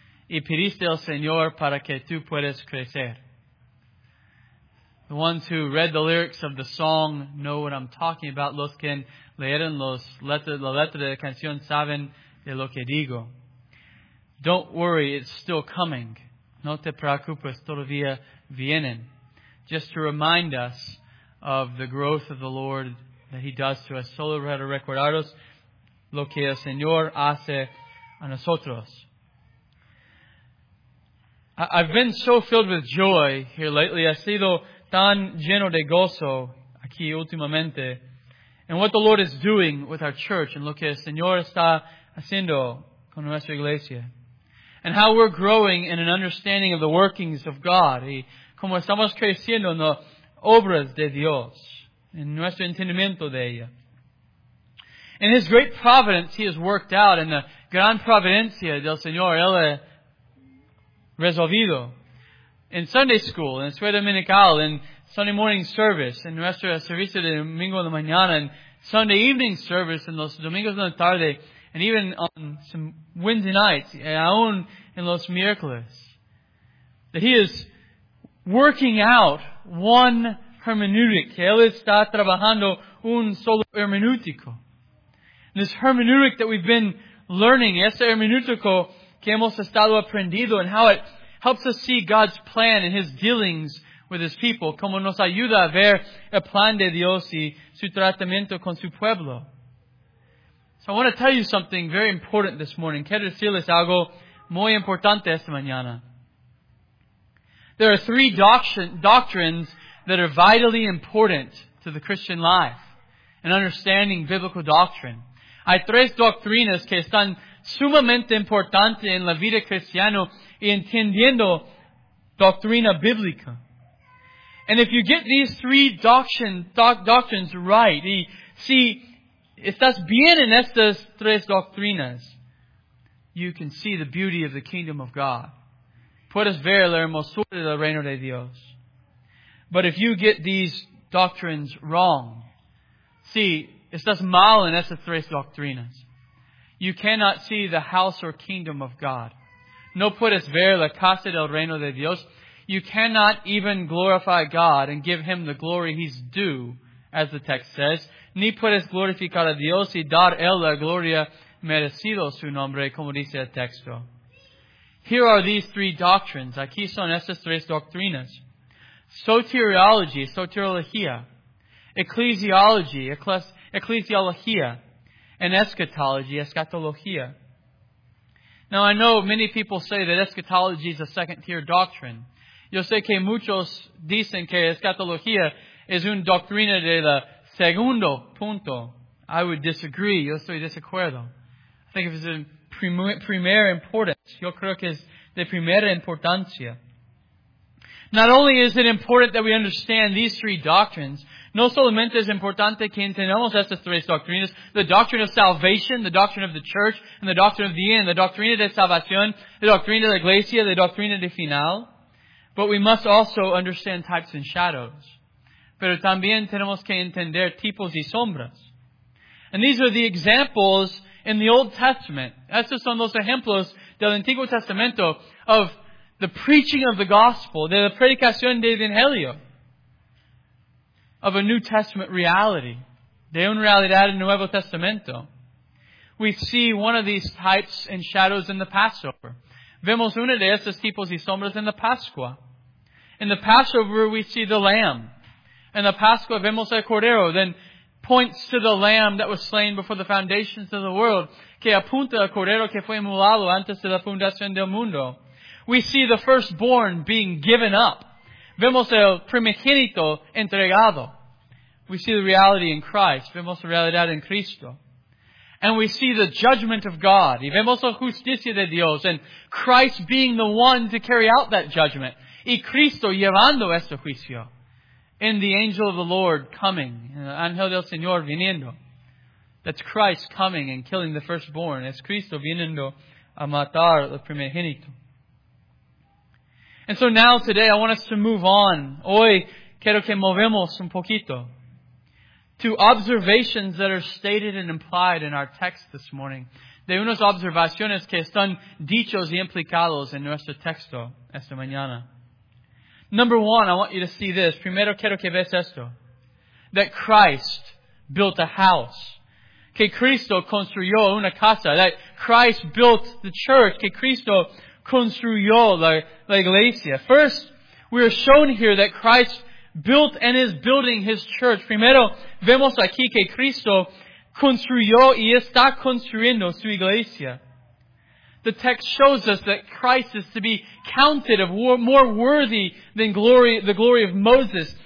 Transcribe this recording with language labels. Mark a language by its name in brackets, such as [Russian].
[Spanish] Y pediste al Señor para que tú puedas crecer. [English] The ones who read the lyrics of the song know what I'm talking about. [Spanish] Los que leyeron la letra de la canción saben de lo que digo. [English] Don't worry, it's still coming. [Spanish] No te preocupes, todavía vienen. [English] Just to remind us of the growth of the Lord that he does to us. [Spanish] Solo para recordaros lo que el Señor hace a nosotros. [English] I've been so filled with joy here lately. I see though [Spanish] tan lleno de gozo aquí últimamente, [English] and what the Lord is doing with our church, and [Spanish] lo que el Señor está haciendo con nuestra iglesia, [English] and how we're growing in an understanding of the workings of God, [Spanish] y como estamos creciendo en las obras de Dios, en nuestro entendimiento de ella. [English] In His great providence, He has worked out, in the [Spanish] gran providencia del Señor, Él ha resolvido. [English] In Sunday school, in [Spanish] Escuela Dominical, [English] in Sunday morning service, in [Spanish] nuestro servicio de domingo de mañana, [English] in Sunday evening service, in [Spanish] los domingos de la tarde, [English] and even on some Wednesday nights, and [Spanish] aún en los miércoles. [English] That he is working out one hermeneutic. [Spanish] Que él está trabajando un solo hermenútico. [English] This hermeneutic that we've been learning, [Spanish] ese hermenútico que hemos estado aprendiendo, [English] and how it helps us see God's plan and His dealings with His people. [Spanish] Como nos ayuda a ver el plan de Dios y su tratamiento con su pueblo. [English] So I want to tell you something very important this morning. [Spanish] Quiero decirles algo muy importante esta mañana. [English] There are three doctrines that are vitally important to the Christian life and understanding biblical doctrine. [Spanish] Hay tres doctrinas que están sumamente importante en la vida cristiana y entendiendo doctrina bíblica. [English] And if you get these three doctrines right, [Spanish] y si estás bien en estas tres doctrinas, [English] you can see the beauty of the kingdom of God. [Spanish] Puedes ver la hermosura del reino de Dios. [English] But if you get these doctrines wrong, [Spanish] si estás mal en estas tres doctrinas, [English] you cannot see the house or kingdom of God. [Spanish] No puedes ver la casa del reino de Dios. [English] You cannot even glorify God and give Him the glory He's due, as the text says. [Spanish] ni puedes glorificar a Dios y dar él la gloria merecido su nombre, como dice el texto. [English] Here are these three doctrines. [Spanish] Aquí son estas tres doctrinas. [English] Soteriology, soteriología. Ecclesiology, ecclesiología. And eschatology, eschatología. Now I know many people say that eschatology is a second tier doctrine. [Spanish] Yo sé que muchos dicen que eschatología es una doctrina de la segundo punto. [English] I would disagree. [Spanish] Yo estoy desacuerdo. [English] I think it's a primera importance. [Spanish] Yo creo que es de primera importancia. [English] Not only is it important that we understand these three doctrines, [Spanish] no solamente es importante que entendamos estas tres doctrinas, [English] the doctrine of salvation, the doctrine of the church, and the doctrine of the end, the [Spanish] doctrina de salvación, [English] the [Spanish] doctrina de la iglesia, [English] the [Spanish] doctrina de final, [English] but we must also understand types and shadows. [Spanish] Pero también tenemos que entender tipos y sombras. [English] And these are the examples in the Old Testament. [Spanish] Estos son los ejemplos del Antiguo Testamento [English] of the preaching of the gospel, [Spanish] de la predicación del Evangelio, [English] of a New Testament reality, [Spanish] de una realidad en Nuevo Testamento. [English] We see one of these types and shadows in the Passover. [Spanish] Vemos una de estos tipos y sombras en la Pascua. [English] In the Passover, we see the Lamb. [Spanish] In the Pascua, vemos el Cordero. [English] Then points to the Lamb that was slain before the foundations of the world, [Spanish] que apunta al Cordero que fue inmolado antes de la fundación del mundo. [English] We see the firstborn being given up. [Spanish] Vemos el primogénito entregado. [English] We see the reality in Christ. [Spanish] Vemos la realidad en Cristo. [English] And we see the judgment of God. [Spanish] Y vemos la justicia de Dios. [English] And Christ being the one to carry out that judgment. [Spanish] Y Cristo llevando este juicio. [English] And the angel of the Lord coming. [Spanish] El ángel del Señor viniendo. [English] That's Christ coming and killing the firstborn. [Spanish] Es Cristo viniendo a matar el primogénito. [English] And so now today I want us to move on. [Spanish] Hoy quiero que movemos un poquito [English] to observations that are stated and implied in our text this morning. [Spanish] De unas observaciones que están dichos y implicados en nuestro texto esta mañana. [English] Number one, I want you to see this. [Spanish] Primero quiero que veas esto. [English] That Christ built a house. [Spanish] Que Cristo construyó una casa. [English] That Christ built the church. [Spanish] Que Cristo construyó la iglesia. [English] First, we are shown here that Christ built and is building His church. [Spanish] Primero, vemos aquí que Cristo construyó y está construyendo su iglesia. [English] The text shows us that Christ is to be counted of more worthy than glory, the glory of Moses.